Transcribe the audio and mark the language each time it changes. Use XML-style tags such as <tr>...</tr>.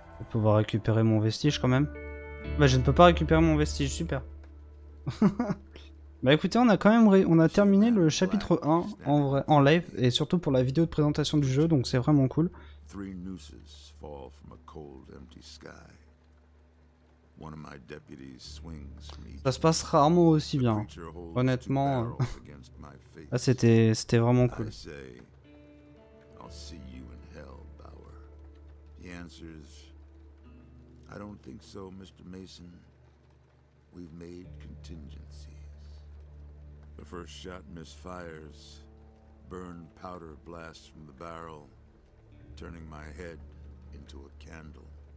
<fr>Pouvoir récupérer mon vestige quand même. Bah je ne peux pas récupérer mon vestige, super. Bah écoutez, on a quand même on a terminé le chapitre 1 en vrai, en live, et surtout pour la vidéo de présentation du jeu, donc c'est vraiment cool.</fr> <en>Three nooses fall from a cold, empty sky. One of my deputies swings me.</en> <fr>Ça se passe rarement aussi bien. Honnêtement, ah, c'était vraiment cool.</fr> <en>I'll see you in hell, Bauer. The answer is I don't think so, Mr. Mason. We've made contingencies. The first shot misfires. Burned powder blasts from the barrel, turning my head into a candle.</en>